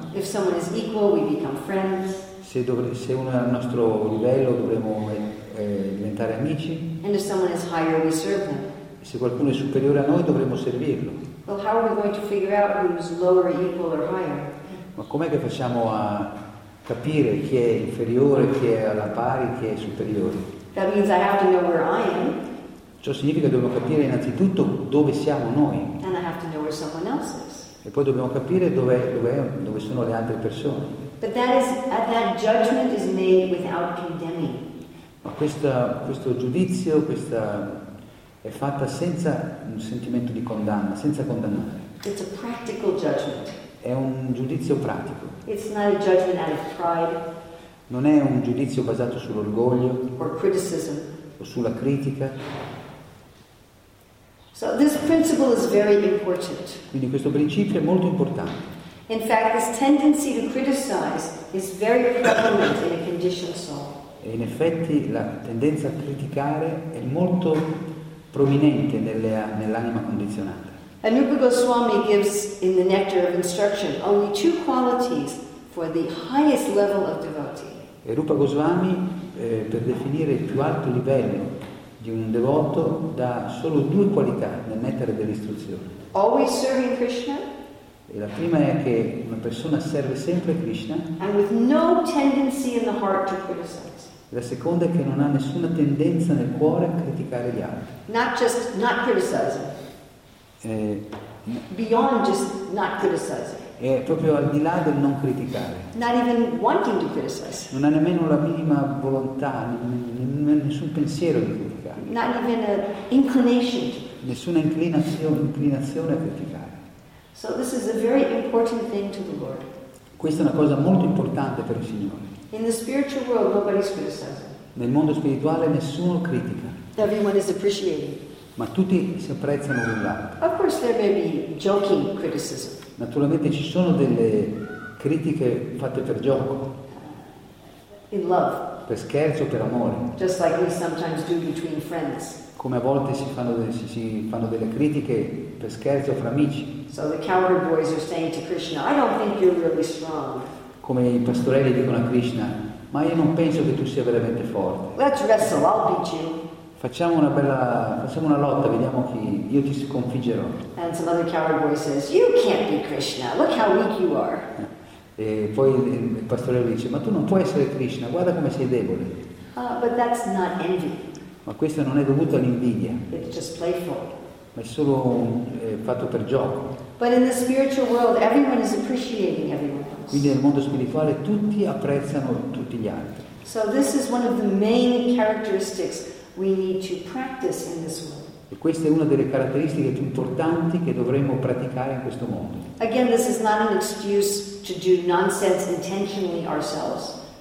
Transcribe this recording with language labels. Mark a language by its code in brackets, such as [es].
[en] If someone is equal, we become friends. [it] Se uno è al nostro livello, dovremmo diventare amici. [en] And if someone is higher, we serve them. [it] Se qualcuno è superiore a noi, dovremmo servirlo. [en] Well, how are we going to figure out who's lower, equal, or higher? [it] Ma com'è che facciamo a capire chi è inferiore, chi è alla pari, chi è superiore? [en] That means I have to know where I am. [it] Ciò significa che dobbiamo capire innanzitutto dove siamo noi. [en] And I have to know where someone else is. [it] E poi dobbiamo capire dove sono le altre persone. [en] But that judgment is made without condemning. [it] Ma questo giudizio, questa è fatta senza un sentimento di condanna, senza condannare. [en] It's a practical judgment. [it] È un giudizio pratico. [en] It's not a judgment out of pride. [it] Non è un giudizio basato sull'orgoglio. [en] Or criticism. [it] O sulla critica. [en] So this principle is very important. [it] Quindi questo principio è molto importante. [en] In fact, this tendency to criticize is very prevalent in a conditioned soul. [it] E in effetti la tendenza a criticare è molto prominente nell'anima condizionata. [en] And Rupa Goswami gives in the Nectar of Instruction only two qualities for the highest level of devotee. [it] E Rupa Goswami, per definire il più alto livello di un devoto, dà solo due qualità nel Nectar dell'istruzione. [en] Always serving Krishna. [it] E la prima è che una persona serve sempre Krishna. [en] And with no tendency in the heart to criticize. [it] La seconda è che non ha nessuna tendenza nel cuore a criticare gli altri. [en] Not just not criticizing. Beyond just not criticizing. [it] È proprio al di là del non criticare. [en] Not even wanting to criticize. [it] Non ha nemmeno la minima volontà, nessun pensiero di criticare. [en] Not even an inclination. [it] Nessuna inclinazione a criticare. [en] So this is a very important thing to the Lord. [it] Questa è una cosa molto importante per il Signore. [en] In the spiritual world, nobody's criticizing. [it] Nel mondo spirituale nessuno critica. [en] Everyone is appreciating. [it] Ma tutti si apprezzano l'un l'altro. [en] Of course, there may be joking criticism. [it] Naturalmente ci sono delle critiche fatte per gioco. [en] In love. [it] Per scherzo, per amore. [en] Just like we sometimes do between friends. [it] Come a volte si fanno delle critiche per scherzo fra amici. [en] So the cowherd boys are saying to Krishna, "I don't think you're really strong." [it] Come i pastorelli dicono a Krishna, ma io non penso che tu sia veramente forte. [en] Let's wrestle, I'll beat you. [it] Facciamo una lotta, vediamo chi, io ti sconfiggerò. [en] And some other cowherd boy says, you can't beat Krishna, look how weak you are. [it] E poi il pastorello dice, ma tu non puoi essere Krishna, guarda come sei debole. [en] But that's not envy. [it] Ma questo non è dovuto all'invidia. [en] It's just playful. [it] Ma è solo fatto per gioco. [en] But in the spiritual world, everyone is appreciating everyone. [it] Quindi nel mondo spirituale tutti apprezzano tutti gli altri. [en] So this is one of the main characteristics we need to practice in this world. [it] E questa è una delle caratteristiche più importanti che dovremmo praticare in questo mondo. [en] Again, this is not an excuse to do nonsense intentionally ourselves.